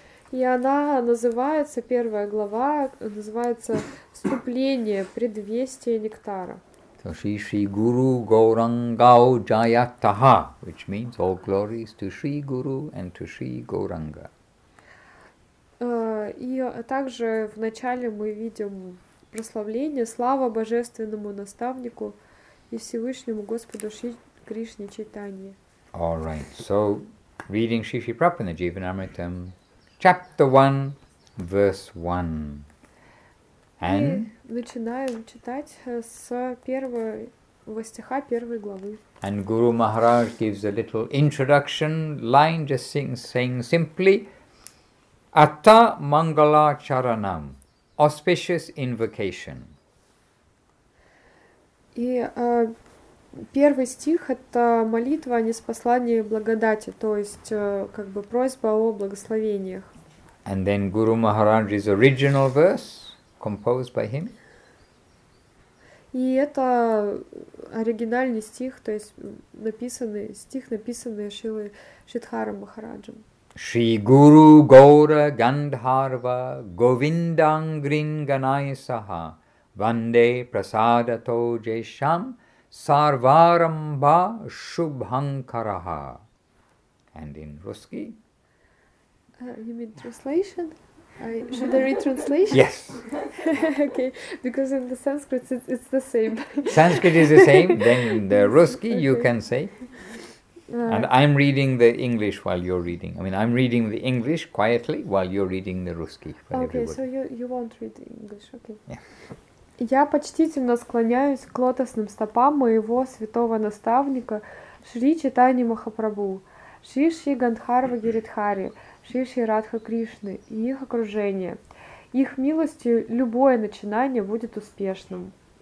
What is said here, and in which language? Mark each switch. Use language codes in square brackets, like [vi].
[ru] И она называется, первая глава, называется «Вступление, предвестие нектара». [en] So, [sa] Shri Shri Guru Gaurangao Jayataha, [en] which means all glories to Shri Guru and to Shri Gauranga. [ru] И также в начале мы видим прославление «Слава Божественному Наставнику и Всевышнему Господу Шри Кришне Чайтанье. [en] All right. So, reading Shri Shri Prabhupada in the Jivanamritam, chapter 1, verse 1. And [ru] и начинаем читать с первого стиха первой главы. [en] And Guru Maharaj gives a little introduction line, just saying simply, [sa] Atta Mangala Charanam, [en] auspicious invocation. [ru] И первый стих – это молитва о ниспослании благодати, то есть как бы просьба о благословениях. [en] And then Guru Maharaj's original verse, composed by him. [ru] И это оригинальный стих, то есть написанный Шрилой Шридхаром Махараджем. [sa] Шри Гуру Гаура Гандхарва Говиндангрин Ганай Саха Ванде Прасадато Джейшам Сарварамба Шубханкараха. [en] And in Ruski? You mean translation? Should I read translation? Yes. Okay, because in the Sanskrit it's the same. Sanskrit is the same, then in the Ruski okay. You can say. And I'm reading the English while you're reading. I mean, I'm reading the English quietly while you're reading the Ruski. Okay, so you won't read the English, okay. Yeah. [ru] Я почтительно склоняюсь к лотосным стопам моего святого наставника Шри Чайтанья Махапрабху, Шри Шри Гандхарва Гиридхари, Шри Шри Радха Кришны и их окружение. Их милостью любое начинание будет успешным.